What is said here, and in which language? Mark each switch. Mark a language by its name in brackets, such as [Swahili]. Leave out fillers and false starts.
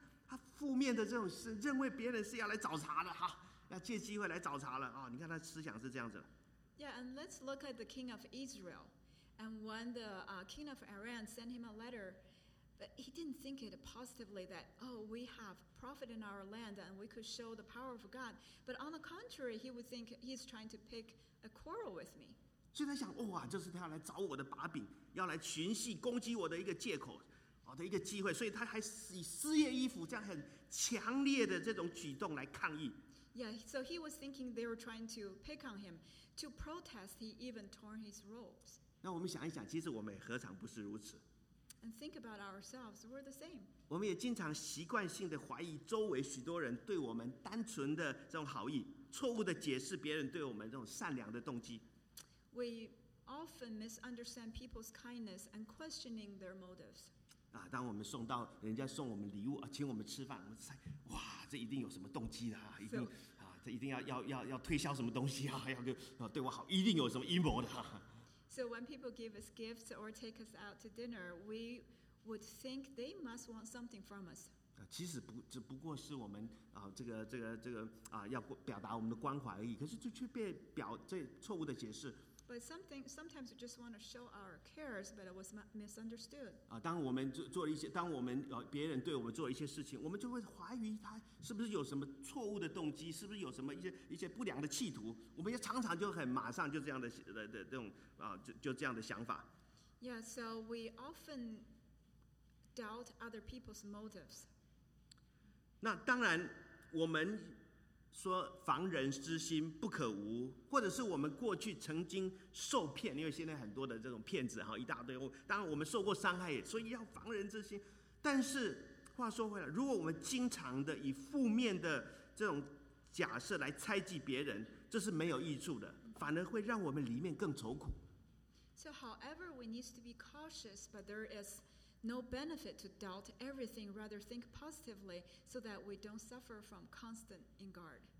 [Chinese] 他负面的这种是认为别人是要来找茬的哈、啊，要借机会来找茬了啊！你看他思想是这样子的。 [English] Yeah, and let's look at the king of Israel. And when the、king of Aram sent him a letter, but he didn't think it positively that, oh, we have prophet in our land and we could show the power of God. But on the contrary, he would think he's trying to pick a quarrel with me. [Chinese] 所以他想，哇，就是他来找我的把柄，要来寻衅攻击我的一个借口，好的一个机会。所以他还以撕裂衣服这样很强烈的这种举动来抗议。 [English] Yeah, so he was thinking they were trying to pick on him. To protest, he even tore his robes. [Chinese] 那我们想一想，其实我们也何尝不是如此。 [English] And think about ourselves, we're the same. [Chinese] 我们也经常习惯性的怀疑周围许多人对我们单纯的这种好意，错误的解释别人对我们这种善良的动机。 [English] We often misunderstand people's kindness and questioning their motives. [Chinese] 啊，当我们送到人家送我们礼物啊，请我们吃饭，我们猜，哇，这一定有什么动机的啊，一定。 [English] So, [Chinese] 一定 要推销什么东西啊？要跟对我好，一定有什么阴谋的、啊。 [English] So when people give us gifts or take us out to dinner, we would think they must want something from us. [Chinese] 其实不，只不过是我们啊，这个啊，要表达我们的关怀而已。可是就却被表这错误的解释。 [English] But sometimes we just want to show our cares, but it was misunderstood. [Chinese] 啊，当我们做了一些，当我们别人对我们做了一些事情，我们就会怀疑他是不是有什么错误的动机，是不是有什么一些不良的企图。我们也常常就很马上就这样的这种啊，就这样的想法。 [English] Yeah, so we often doubt other people's motives. [Chinese] 那当然，我们。说防人之心不可无，或者是我们过去曾经受骗，因为现在很多的这种骗子一大堆，当然我们受过伤害，所以要防人之心。但是话说回来，如果我们经常的以负面的这种假设来猜忌别人，这是没有益处的，反而会让我们里面更愁苦。 [English] So however we need to be cautious, but there is no benefit to doubt everything, rather think positively so that we don't suffer from constant in guard.